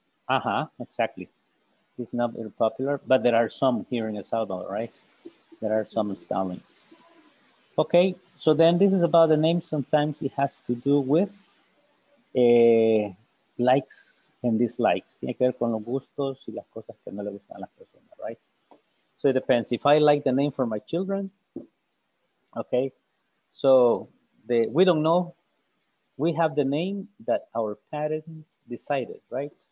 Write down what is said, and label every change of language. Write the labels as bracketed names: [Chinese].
[English] Uh-huh, exactly. It's not very popular, but there are some here in El Salvador, right? There are some Stalins. Okay, so then this is about the name. Sometimes it has to do with likes and dislikes. [Spanish] Tiene que ver con los gustos y las cosas que no le gustan a las personas, [English] right? So it depends. If I like the name for my children, okay, so we don't know. We have the name that our parents decided, right?